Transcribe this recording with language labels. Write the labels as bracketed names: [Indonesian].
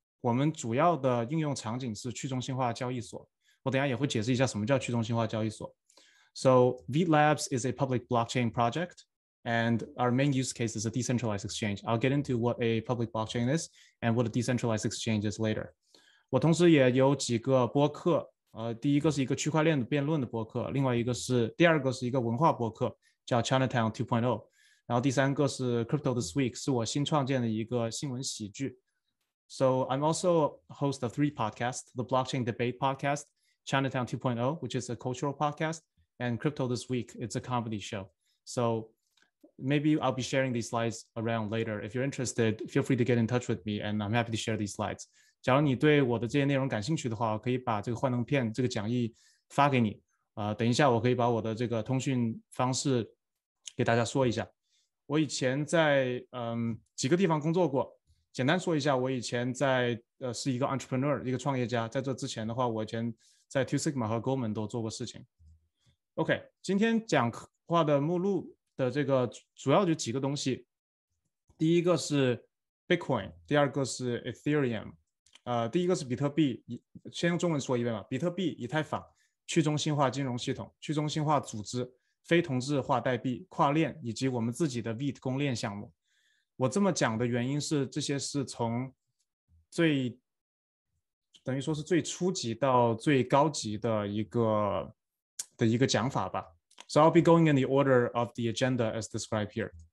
[Chinese] 我们主要的应用场景是去中心化交易所。我等一下也会解释一下什么叫去中心化交易所。 [English] So Veet Labs is a public blockchain project. And our main use case is a decentralized exchange. I'll get into what a public blockchain is and what a decentralized exchange is later. [Chinese] 我同时也有几个播客，第一个是一个区块链的辩论的播客，另外一个是第二个是一个文化播客，叫 Chinatown 2.0， 然后第三个是 Crypto This Week， 是我新创建的一个新闻喜剧。 [English] So I'm also host of three podcasts: the Blockchain Debate Podcast, Chinatown 2.0, which is a cultural podcast, and Crypto This Week, it's a comedy show. So Maybe I'll be sharing these slides around later. If you're interested, feel free to get in touch with me, and I'm happy to share these slides. [Chinese] 假如你对我的这些内容感兴趣的话，可以把这个幻灯片这个讲义发给你。等一下我可以把我的这个通讯方式给大家说一下。我以前在几个地方工作过。简单说一下，我以前在是一个 entrepreneur， 一个创业家。在这之前的话，我以前在 Two Sigma 和 Goldman 都做过事情。 OK， 今天讲话的目录。的这个主要就几个东西，第一个是 Bitcoin， 第二个是 Ethereum， 第一个是比特币，先用中文说一遍吧，比特币、以太坊、去中心化金融系统、去中心化组织、非同质化代币、跨链，以及我们自己的 Veet 公链项目。我这么讲的原因是，这些是从最等于说是最初级到最高级的一个讲法吧。 [English] So I'll be going in the order of the agenda as described here.